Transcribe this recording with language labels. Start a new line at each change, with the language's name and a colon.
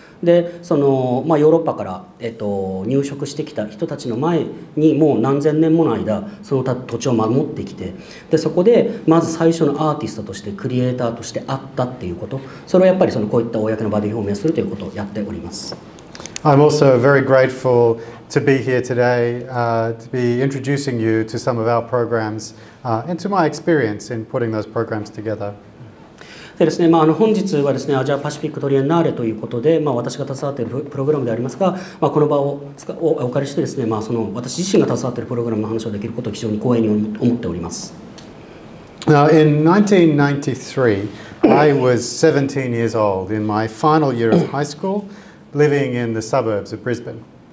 Japanese: でヨーロッパから、入植してきた人たちの前にもう何千年もの間その土地を守ってきて、でそこでまず最初のアーティストとしてクリエイターとしてあったっていうこと、それはやっぱりそのこういった公の場で表明するということをやっております。
English: I'm also very grateful to be here today、to be introducing you to some of our programs、and to my experience in putting those programs together。
Japanese: でですね、本日はですね、アジアパシフィックトリエンナーレということで、私が携わっているプログラムでありますが、この場をお借りしてですね、その私自身が携わっているプログラムの話をできることを非常に光栄に思っております。
English: Now, in 1993, I was 17 years old in my final year of high school, living in the suburbs of Brisbane.